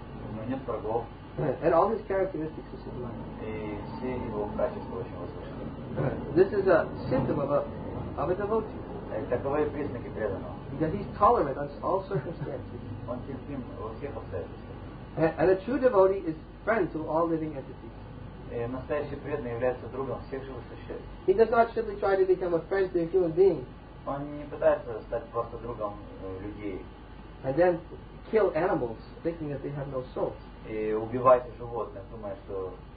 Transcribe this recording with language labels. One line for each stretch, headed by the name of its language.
Russian: У него нет врагов.
English: And all his characteristics are sublime.
Russian: И все его качества очень возвышены.
English: This is a symptom of a devotee.
Russian: Таковы признаки преданного.
English: That he's tolerant under all circumstances.
Russian: Он терпим во всех обстоятельствах.
English: And a true devotee is friend to all living entities.
Russian: Настоящий преданный является другом всех живых существ.
English: He does not simply try to become a friend to a human being.
Russian: Он не пытается стать просто другом людей.
English: And then kill animals, thinking that they have no souls.
Russian: И убивать животных, думая, что